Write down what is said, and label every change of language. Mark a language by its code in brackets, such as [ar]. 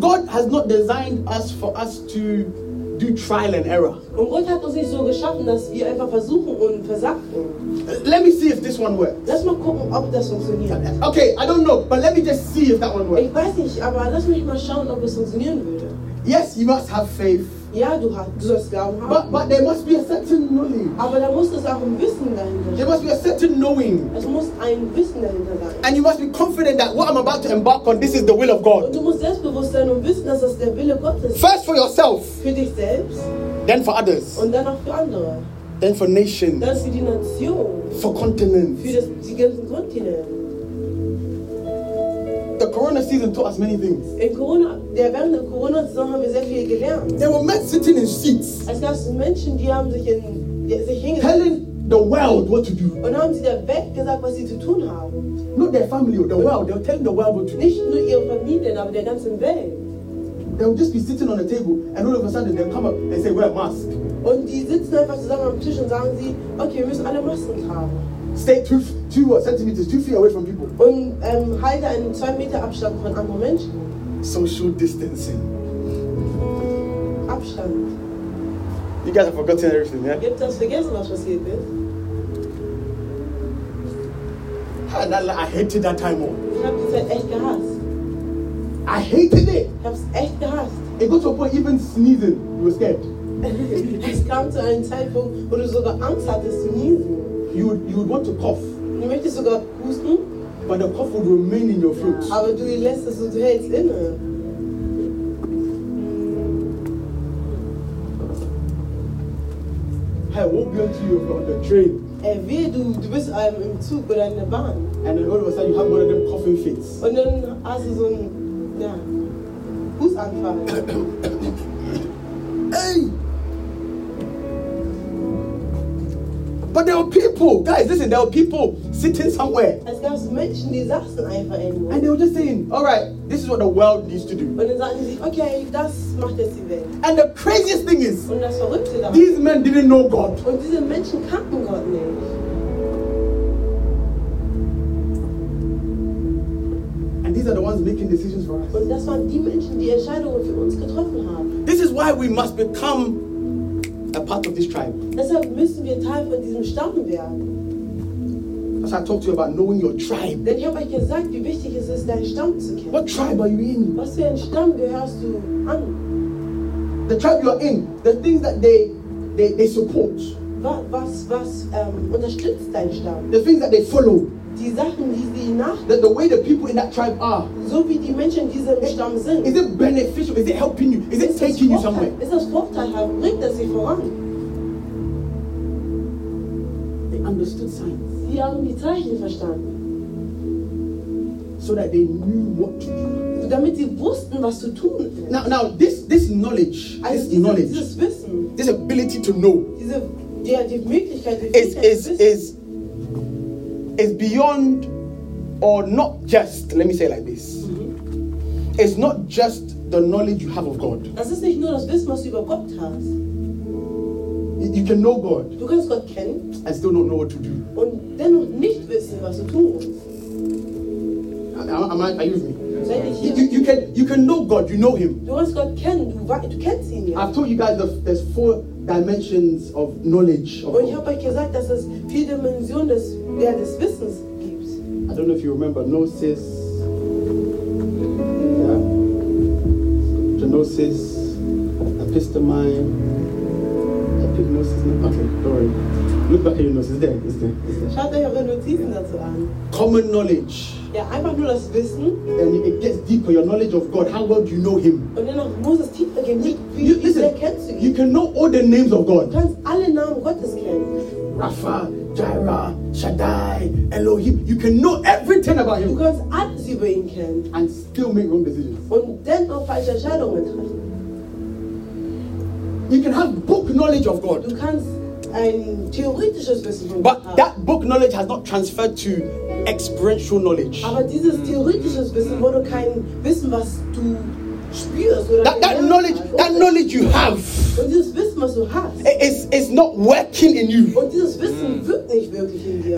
[en] God has not designed us for us to do trial and error. [de] Gott hat uns nicht so geschaffen, dass wir einfach versuchen und versagen. [en] Let me see if this one works. [de] Lass mal gucken, ob das funktioniert. [en] Okay, I don't know, but let me just see if that one works. [de] Ich weiß nicht, aber lass mich mal schauen, ob es funktionieren würde. [en] Yes, you must have faith. [de] Ja, du sollst Glauben haben. [en] But there must be a certain knowing. [de] Aber da muss es auch ein Wissen dahinter. [en] There must be a certain knowing. [de] Es muss ein Wissen dahinter sein. [en] And you must be confident that what I'm about to embark on, this is the will of God. [de] Und du musst selbstbewusst sein und wissen, dass das der Wille Gottes ist. [en] First for yourself. [de] Für dich selbst. [en] Then for others. [de] Und dann auch für andere. [en] Then for nations. [de] Dann für die Nation. [en] For continents. [de] Für die ganzen Kontinente. [en] The Corona season taught us many things. [de] In Corona, während der Corona-Saison haben wir sehr viel gelernt. [en] There were men sitting in seats. [de] Es gab Menschen, die haben sich hingesetzt. [en] Telling the world what to do. [de] Und haben sie der Welt gesagt, was sie zu tun haben. [en] Not their family or the world. They were telling the world what to do. [de] Nicht nur ihre Familien, aber der ganzen Welt. [en] They would just be sitting on a table, and all of a sudden they'll come up and say, "Wear a mask." [de] Und die sitzen einfach zusammen am Tisch und sagen sie, okay, wir müssen alle Masken tragen. [en] Stay two centimeters, 2 feet away from people. [de] Und halte einen 2 Meter Abstand von anderen Menschen. [en] Social distancing. [de] Abstand. [en] You guys have forgotten everything, yeah? [de] Ihr habt das vergessen, was passiert ist. [en] I hated that time. [de] Ich hab die Zeit echt gehasst. [en] I hated it. [de] Ich hab's echt gehasst. [en] It got to a point even sneezing, you were scared. [de] Es kam zu einem Zeitpunkt, wo du sogar Angst hattest zu niesen. [en] You would want to cough. [de] Du möchtest sogar husten. [en] But the cough would remain in your throat. [de] Aber du lässt es und du hältst inne. [en] Hey, what will be you on the train? [de] Hey, wie du bist im Zug oder in der Bahn. [en] And then all of a sudden you have one of them coughing fits. [de] Und dann hast du so einen Hustenanfall. Hey! [en] But there were people, guys, listen, there were people sitting somewhere. [de] Es gab Menschen, die saßen einfach irgendwo. [en] And they were just saying, all right, this is what the world needs to do. [de] Und dann sagten sie, okay, das macht jetzt die Welt. [en] And the craziest thing is, [de] und das Verrückte dann, [en] these men didn't know God. [de] Und diese Menschen kannten Gott nicht. [en] And these are the ones making decisions for us. [de] Und das waren die Menschen, die Entscheidungen für uns getroffen haben. [en] This is why we must become a part of this tribe. [de] Deshalb müssen wir Teil von diesem Stamm werden. [en] As I talked to you about knowing your tribe. [de] Denn ich habe euch gesagt, wie wichtig es ist, deinen Stamm zu kennen. [en] What tribe are you in? [de] Was für einen Stamm gehörst du an? [en] The tribe you are in, the things that they support. [de] Was unterstützt dein Stamm? [en] The things that they follow. [de] Die Sachen, die sie nach. [en] The way the people in that tribe are. [de] So wie die Menschen in diesem Stamm sind. [en] Is it beneficial? Is it helping you? Is it taking you somewhere? [de] Ist das vorteilhaft? Bringt das sie voran? [en] They understood signs. [de] Sie haben die Zeichen verstanden. [en] So that they knew what to do. [de] Damit sie wussten, was zu tun ist. [en] Now this knowledge, also this knowledge, [de] dieses Wissen, [en] this ability to know, [de] die Möglichkeit, die is [en] beyond, or not just, let me say it like this. Mm-hmm. It's not just the knowledge you have of God. [de] Das ist nicht nur das Wissen, was du über Gott hast. [en] You can know God. [de] Du kannst Gott kennen. [en] And still not know what to do. [de] Und dennoch nicht wissen, was du tun musst. [en] Are you with me? You can know God, you know him. [de] Du kannst Gott kennen, du kennst ihn ja. [en] I've told you guys there's four dimensions of knowledge. [de] Und ich habe euch gesagt, dass es vier Dimensionen des Wissens gibt. [en] I don't know if you remember, gnosis. Yeah. Genosis, episteme, epignosis. Okay, sorry. Look back at your notes, it's there. [de] Schaut euch eure Notizen dazu an. [en] Common knowledge. [de] Ja, einfach nur das Wissen. [en] And it gets deeper, your knowledge of God. How well do you know him? [de] Und dann noch muss es tiefer gehen. Wie sehr kennst du ihn? [en] You can know all the names of God. [de] Du kannst alle Namen Gottes kennen. [en] Rapha, Jireh, Shaddai, Elohim. You can know everything about him. [de] Du kannst alles über ihn kennen. [en] And still make wrong decisions. [de] Und dann noch falsche Entscheidungen treffen. [en] You can have book knowledge of God. [de] Du kannst ein theoretisches Wissen von Gott haben. [en] But that book knowledge has not transferred to experiential knowledge. [de] Aber dieses theoretische Wissen, wo du kein Wissen, was du spürst oder [en] that knowledge you have. [de] Und dieses Wissen, was du hast, is not working in you. Und dieses Wissen wirkt nicht wirklich in dir.